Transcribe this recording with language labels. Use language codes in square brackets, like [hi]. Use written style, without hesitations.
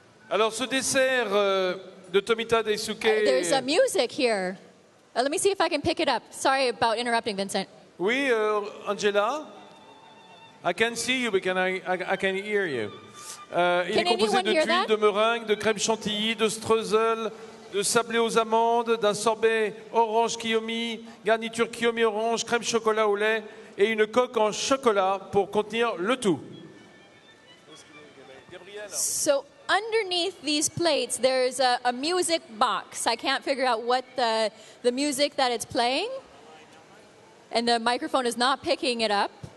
[fr] Alors ce dessert de Tomita Daisuke... [en] There's some music here. Let me see if I can pick it up. Sorry about interrupting, Vincent. Oui, Angela, I can see you, but I can hear you. [fr] Il est composé de tuiles, de meringue, de crème chantilly, de streusel, de sablé aux amandes, d'un sorbet orange kiyomi, garniture kiyomi orange, crème chocolat au lait et une coque en chocolat pour contenir le tout. [en] So, underneath these plates, there's a music box. I can't figure out what the music that it's playing. And the microphone is not picking it up.